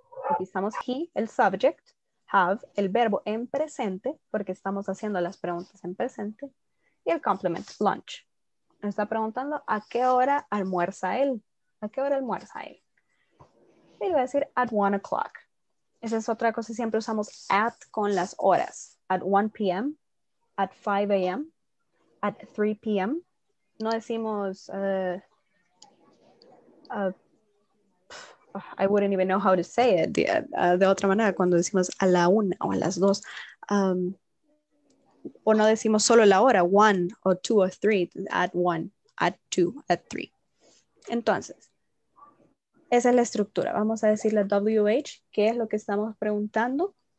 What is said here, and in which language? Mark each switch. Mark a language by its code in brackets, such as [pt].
[es] Utilizamos he, el subject, have, el verbo en presente, porque estamos haciendo las preguntas en presente, y el complement, lunch. Nos está preguntando a qué hora almuerza él. ¿A qué hora almuerza él? Y le voy a decir [en] at 1 o'clock. [es] Esa es otra cosa, siempre usamos at con las horas. [en] At 1 p.m., at 5 a.m., at 3 p.m. [es] No decimos, [en] I wouldn't even know how to say it. [es] De otra manera, cuando decimos a la una o a las dos. O no decimos solo la hora, one o two o three, [en] at one, at two, at three. [es] Entonces, esa es la estructura. Vamos a decir la WH, ¿qué es lo que estamos preguntando?